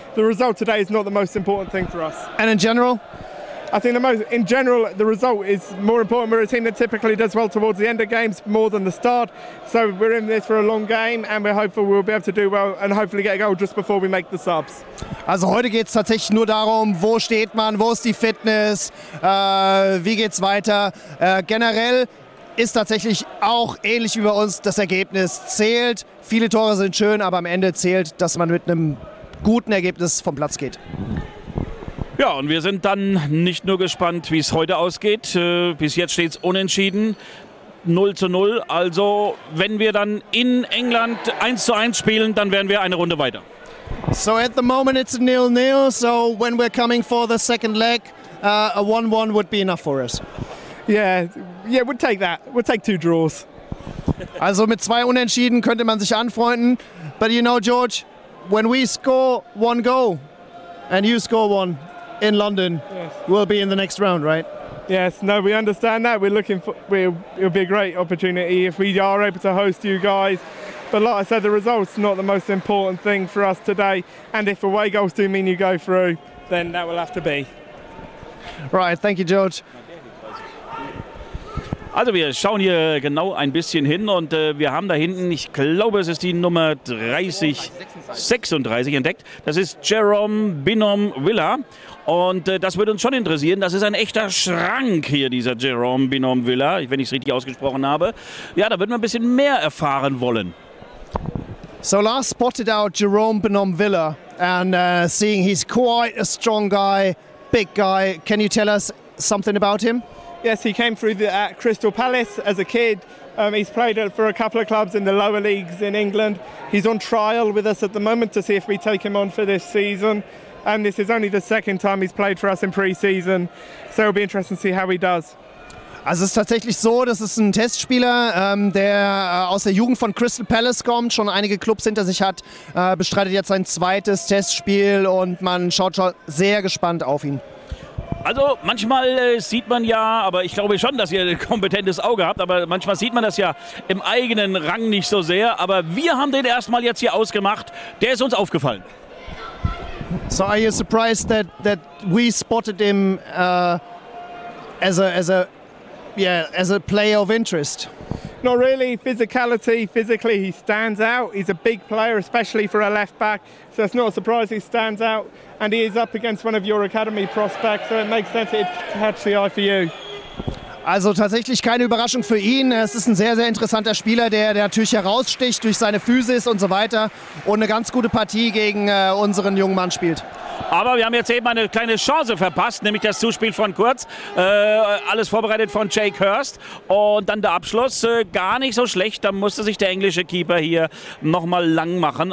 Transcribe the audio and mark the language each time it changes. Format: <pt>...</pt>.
<en>The result today is not the most important thing for us. And in general? I think in general the result is more important. We're a team that typically does well towards the end of games more than the start. So we're in this for a long game and we're hopeful we'll be able to do well and hopefully get a goal just before we make the subs.</en> <de>Also heute geht es tatsächlich nur darum, wo steht man, wo ist die Fitness, wie geht's weiter. Generell ist tatsächlich auch ähnlich wie bei uns, das Ergebnis zählt. Viele Tore sind schön, aber am Ende zählt, dass man mit einem guten Ergebnis vom Platz geht. Ja, und wir sind dann nicht nur gespannt, wie es heute ausgeht. Bis jetzt steht es unentschieden, 0-0. Also wenn wir dann in England 1-1 spielen, dann wären wir eine Runde weiter.</de> <en>So at the moment it's 0-0. So when we're coming for the second leg, a 1-1 would be enough for us. Yeah, we'll take that. We'll take two draws.</en> <de>Also mit zwei Unentschieden könnte man sich anfreunden.</de> <en>But you know, George, when we score one goal and you score one in London, yes, we'll be in the next round, right? Yes, no, we understand that. We're looking for, it'll be a great opportunity if we are able to host you guys. But like I said, the result's not the most important thing for us today. And if away goals do mean you go through, then that will have to be. Right, thank you, George.</en> <de>Also wir schauen hier genau ein bisschen hin und wir haben da hinten, ich glaube es ist die Nummer 36 entdeckt. Das ist Jerome Binom Villa und das würde uns schon interessieren. Das ist ein echter Schrank hier, dieser Jerome Binom Villa, wenn ich es richtig ausgesprochen habe. Ja, da würden wir ein bisschen mehr erfahren wollen.</de> <en>So last spotted out Jerome Binom Villa and seeing he's quite a strong guy, big guy. Can you tell us something about him? Yes, he came through at Crystal Palace as a kid. He's played for a couple of clubs in the lower leagues in England. He's on trial with us at the moment to see if we take him on for this season. And this is only the second time he's played for us in pre-season. So it'll be interesting to see how he does.</en> <de>Also es ist tatsächlich so, das ist ein Testspieler, der aus der Jugend von Crystal Palace kommt, schon einige Clubs hinter sich hat, bestreitet jetzt sein zweites Testspiel und man schaut schon sehr gespannt auf ihn. Also manchmal sieht man ja, aber ich glaube schon, dass ihr ein kompetentes Auge habt, aber manchmal sieht man das ja im eigenen Rang nicht so sehr, aber wir haben den erstmal jetzt hier ausgemacht, der ist uns aufgefallen.</de> <en>So are you surprised that we spotted him as a player of interest? Not really. Physically he stands out. He's a big player, especially for a left back, so it's not a surprise he stands out. And he is up against one of your academy prospects, so it makes sense it catches the eye for you.</en> <de>Also tatsächlich keine Überraschung für ihn. Es ist ein sehr, sehr interessanter Spieler, der natürlich heraussticht durch seine Physis und so weiter und eine ganz gute Partie gegen unseren jungen Mann spielt. Aber wir haben jetzt eben eine kleine Chance verpasst, nämlich das Zuspiel von Kurz. Alles vorbereitet von Jake Hurst. Und dann der Abschluss, gar nicht so schlecht. Da musste sich der englische Keeper hier nochmal lang machen.</de>